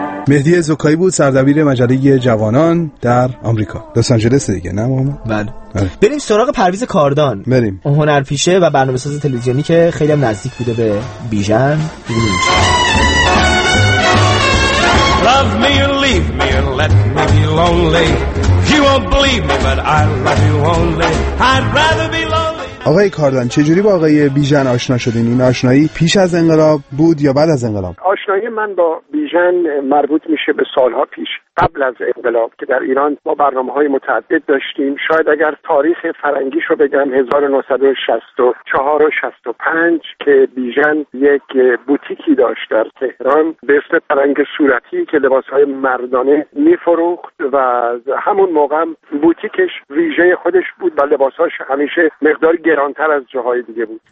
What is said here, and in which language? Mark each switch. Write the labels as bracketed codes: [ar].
[fa] مهدی زوکایی بود، سردبیر مجله جوانان در آمریکا، لس آنجلس دیگه نه محمد؟ بله. بریم سراغ پرویز کاردان. بریم. اون هنرپیشه و برنامه‌ساز تلویزیونی که خیلی هم نزدیک بوده به بیژن. [en] Love me and leave me and let me be lonely. You won't believe me but I love you only. I'd rather be lonely. [fa] آقای کاردان چجوری با آقای بیژن آشنا شدین؟ این آشنایی پیش از انقلاب بود یا بعد از انقلاب؟ آشنایی من با بیژن مربوط میشه به سالها پیش قبل از انقلاب که در ایران ما برنامه‌های متعدد داشتیم. شاید اگر تاریخ فرنگیش رو بگم 1964 و 65 که بیژن یک بوتیکی داشت در تهران به اسم فرنگ صورتی که لباس‌های مردانه می‌فروخت و همون موقع بوتیکش ویژه خودش بود و لباس‌هاش همیشه مقدار گرانتر از جاهای دیگه بود.